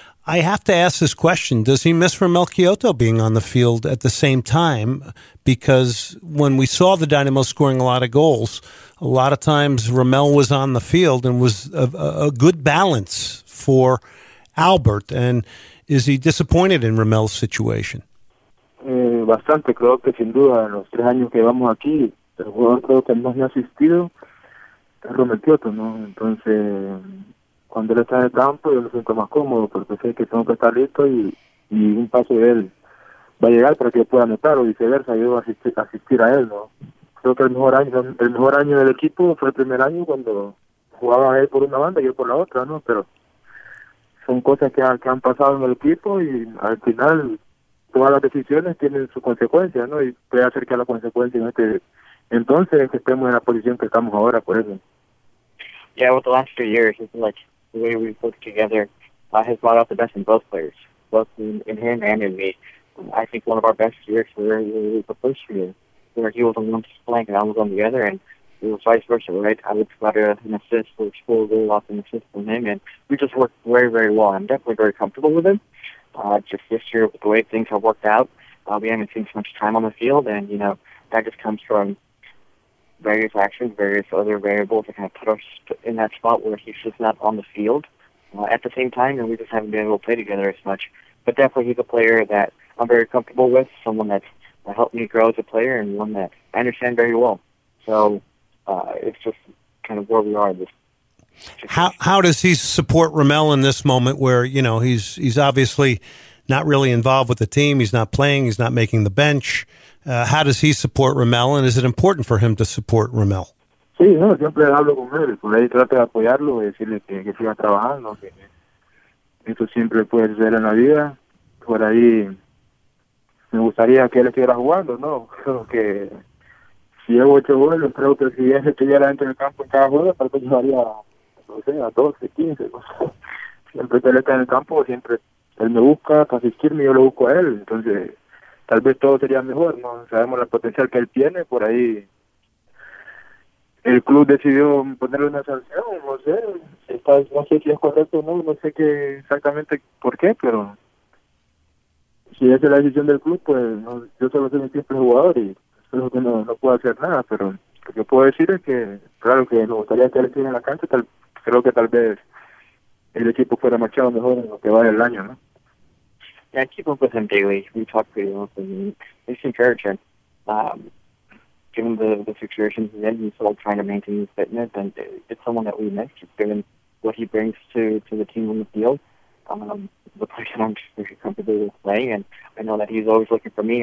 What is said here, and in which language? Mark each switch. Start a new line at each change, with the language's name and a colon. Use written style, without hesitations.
English: I have to ask this question. Does he miss Romel Kyoto being on the field at the same time? Because when we saw the Dynamo scoring a lot of goals, a lot of times Romel was on the field and was a good balance for Albert. And is he disappointed in Romel's situation?
Spanish: Bastante, creo que sin duda. En los tres años que vamos aquí, el jugador creo que más me ha asistido es Romel Kyoto, ¿no? Entonces, cuando él está en el campo, yo me siento más cómodo porque sé que tengo que estar listo y un paso de él va a llegar para que yo pueda anotar o viceversa, yo asistir a él, ¿no? Creo que el mejor año del equipo fue el primer año cuando jugaba él por una banda y yo por la otra, ¿no? Pero son cosas que han pasado en el equipo y al final todas las decisiones tienen sus consecuencias, ¿no? Y puede hacer que la consecuencia en este entonces es que estemos en la posición que estamos ahora, por eso.
English: Yeah, with the last 3 years, it's like the way we've worked together has brought out the best in both players, both in him and in me. I think one of our best years were the first year, where he was on one flank and I was on the other, and it was vice versa, right? I would provide an assist for a full goal off an assist from him, and we just worked very, very well. I'm definitely very comfortable with him. Just this year, with the way things have worked out, we haven't seen so much time on the field, and, you know, that just comes from various actions, various other variables that kind of put us in that spot where he's just not on the field at the same time, and we just haven't been able to play together as much. But definitely he's a player that I'm very comfortable with, someone that helped me grow as a player, and one that I understand very well. So it's just kind of where we are. How does he support Romel in this moment where, you know, he's obviously not really involved with the team, he's not playing, he's not making the bench? How does he support Romel, and is it important for him to support Romel?
Spanish: Sí, no, siempre hablo con él, por ahí trato de apoyarlo y decirle que siga trabajando, que esto siempre puede ser en la vida. Por ahí me gustaría que él estuviera jugando, ¿no? Creo que si llevo 8 goles, creo que si él estuviera dentro del campo en cada juego, tal vez llevaría, no sé, a 12, 15, no sé. Siempre que él está en el campo, siempre él me busca para asistirme y yo lo busco a él, entonces tal vez todo sería mejor, ¿no? Sabemos el potencial que él tiene, por ahí el club decidió ponerle una sanción, no sé, no sé si es correcto o no, no sé qué exactamente por qué, pero si esa es la decisión del club, pues no, yo solo soy un simple jugador y creo que no puedo hacer nada, pero lo que puedo decir es que, claro, que me gustaría que él esté en la cancha, creo que tal vez el equipo fuera marchado mejor en lo que va del año, ¿no?
English: Yeah, I keep up with him daily. We talk pretty often. It's encouraging. Given the situation he's in, he's still trying to maintain his fitness, and it's someone that we miss. He's given what he brings to the team on the field. The person I'm sure he's comfortable with playing, and I know that he's always looking for me.